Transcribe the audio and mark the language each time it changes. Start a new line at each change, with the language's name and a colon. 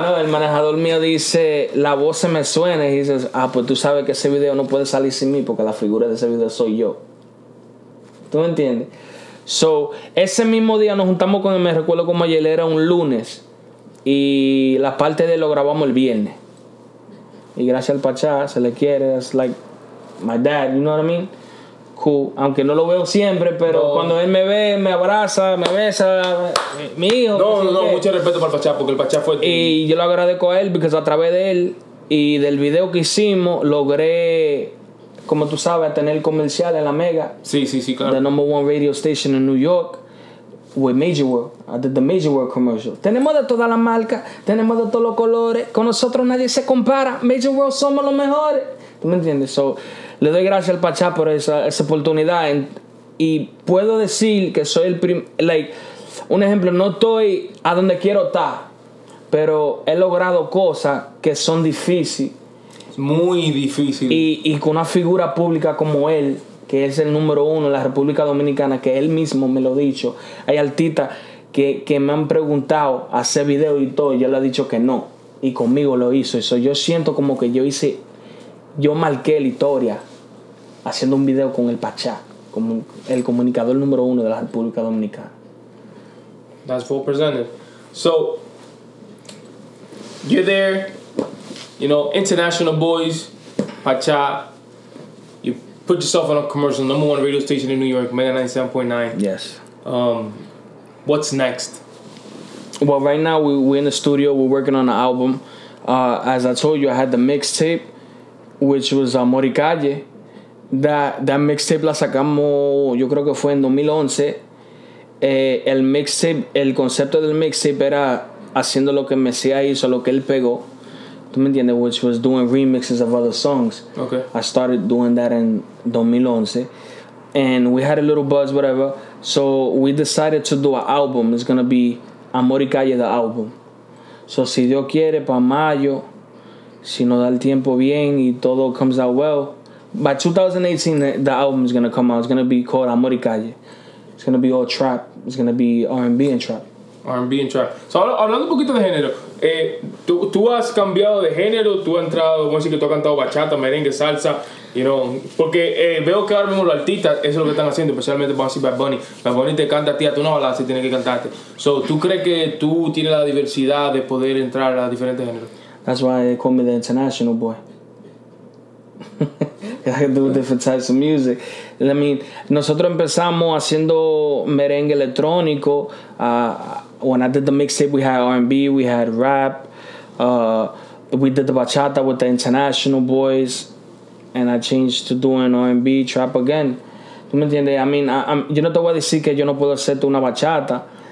Spanish: No, el manejador mío dice, la voz se me suena.
English: He says,
Spanish: ah, pues tú sabes que ese video no puede salir sin mí porque la figura de ese video soy yo. ¿Tú me entiendes? So, ese mismo día nos juntamos con él. Me recuerdo como ayer, era un lunes. Y la parte de él lo grabamos el viernes. Y gracias al Pachá, se le quiere.
English: It's like my dad, you know what I mean?
Spanish: Cool. Aunque no lo veo siempre, pero no. Cuando él me ve, me abraza, me besa, mi hijo. No, mucho respeto para el Pachá, porque el Pachá fue... Y yo lo agradezco a él, porque a través de él y del video que hicimos, logré, como tú sabes, tener el comercial en la Mega. Sí, claro.
English: The number one radio station in New York. With Major World, I did the Major World commercial.
Spanish: Tenemos de todas las marcas, tenemos de todos los colores. Con nosotros nadie se compara. Major World somos los mejores. ¿Tú me entiendes? So, le doy gracias al Pachá por esa oportunidad. Y puedo decir que soy el primer. Like, un ejemplo, no estoy a donde quiero estar, pero he logrado cosas que son difíciles. Muy difíciles. Y con una figura pública como él, que es el número uno en la República Dominicana, que él mismo me lo ha dicho. Hay artistas que me han preguntado hacer video y todo, y yo le he dicho que no. Y conmigo lo hizo. Eso yo siento como que yo hice, yo marqué la historia haciendo un video con el Pachá, como el comunicador número uno de la República Dominicana.
English: That's full presented. So, you're there, you know, International Boys, Pachá. Put yourself on a commercial, number one radio station in New York, Mega 97.9. Yes. What's next? Well, right now we're in the studio. We're working on an album. As I told you, I had the mixtape, which was Moricalle. That mixtape
Spanish: la sacamos, yo creo que fue en 2011. El mixtape, el concepto del mixtape era haciendo lo que Mesías hizo, lo que él pegó. ¿Tú me entiendes?
English: Which was doing remixes of other songs. Okay. I started doing that in 2011. And we had a little buzz, whatever. So we decided to do an album. It's going to be Amor y Calle, the album. So
Spanish: si Dios quiere, para mayo, si no da el tiempo bien y todo
English: comes out well, by 2018, the album is going to come out. It's going to be called Amor y Calle. It's going to be all trap. It's going to be R&B and trap. R&B and trap.
Spanish: So, hablando un poquito de género, ¿tú has cambiado de género? ¿Tú has entrado, vamos a decir que tú has cantado bachata, merengue, salsa,
English: you know?
Spanish: Porque veo que ahora mismo los artistas, eso es lo que están haciendo, especialmente vamos a decir Bad Bunny. Bad Bunny te canta a ti, a tú no hablas y tienes que cantarte. So, ¿tú crees que tú tienes la diversidad de poder entrar a diferentes géneros?
English: That's why they call me the international boy. I can do different types of music. I mean,
Spanish: nosotros empezamos haciendo merengue electrónico.
English: When I did the mixtape, we had R&B, we had rap. We did the bachata with the international boys, and I changed to doing R&B trap again.
Spanish: ¿Tú me entiendes?
English: I mean,
Spanish: yo no te voy a decir que yo no puedo hacerte una bachata.